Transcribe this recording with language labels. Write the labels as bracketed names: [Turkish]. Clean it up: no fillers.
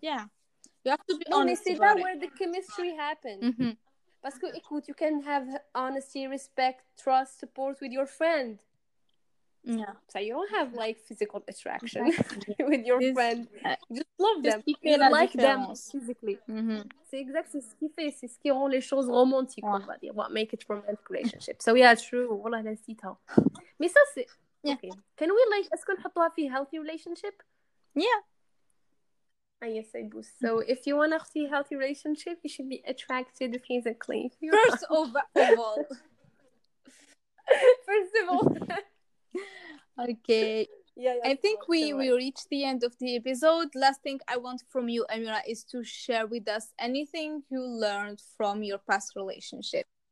[English] Yeah. You have to be honest. Honesty is where the chemistry happens. Because you can have honesty, respect, trust, support with your friend. Yeah. So you don't have like physical attraction with your friend. Just love them. You like them physically. [French] C'est exact, c'est ce qui fait, c'est ce qui rend les choses romantiques, on va dire. [English] What makes it romantic relationship. So yeah, true. [French] Voilà, c'est ça. Mais ça, c'est... [English] Yeah. Okay. Can we like [French] est-ce qu'on peut avoir une [English] healthy relationship? Yeah. I guess I boost. So if you want to see a healthy relationship, you should be attracted physically. First of all. First of all. Okay. Yeah. I think we reached the end of the episode. Last thing I want from you, Amira, is to share with us anything you learned from your past relationship.